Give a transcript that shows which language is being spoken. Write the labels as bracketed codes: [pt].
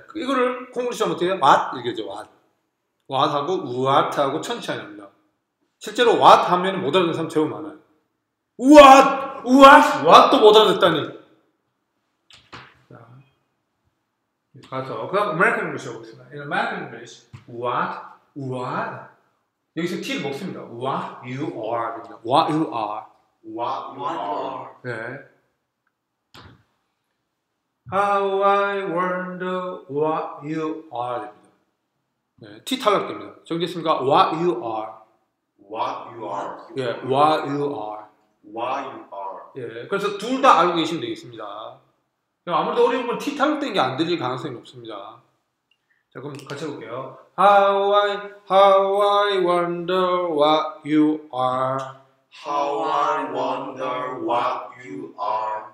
[ko] 이거를 콩글리시 하면 어떻게 해요? [en] What? [ko] 이렇게 하죠. What? What 하고 What 하고 천천히 합니다. 실제로 What 하면 못 알아듣는 사람 제일 많아요. [en] What? What? [ko] What도 못 알아듣다니. 가서 그다음 American English 해보겠습니다. [en] In American English, what? What? [ko] 여기서 T를 먹습니다. [en] What you are. What you are. What you are. [ko] 네. [en] How I wonder what you are. [ko] 네. T 탈락됩니다. 정지했습니까? [en] What you are. What you are. 예. What you are. What you are. [ko] 예. 그래서 둘 다 알고 계시면 되겠습니다. 아무래도 어려운 건 T 탈락된 게 안 들릴 가능성이 높습니다. 자, 그럼 같이 해볼게요. [en] How I wonder what you are. How I wonder what you are.